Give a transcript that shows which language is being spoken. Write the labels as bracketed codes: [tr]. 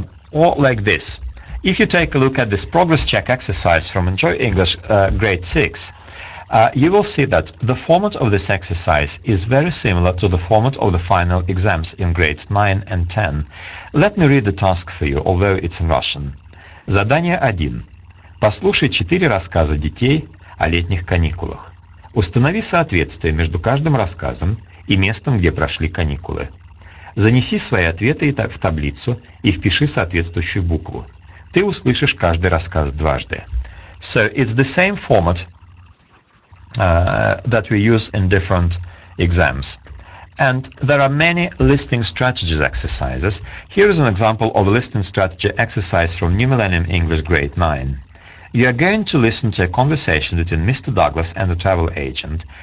[en] Or like this. If you take a look at this progress check exercise from Enjoy English grade 6, you will see that the format of this exercise is very similar to the format of the final exams in grades 9 and 10. Let me read the task for you, although it's in Russian. [ru] Задание 1. Послушай 4 рассказа детей о летних каникулах. Установи соответствие между каждым рассказом и местом, где прошли каникулы. Занеси свои ответы в таблицу и впиши соответствующую букву. Ты услышишь каждый рассказ дважды. [en] So it's the same format that we use in different exams. And there are many listening strategies exercises. Here is an example of a listening strategy exercise from New Millennium English Grade 9. You are going to listen to a conversation between Mr. Douglas and the travel agent.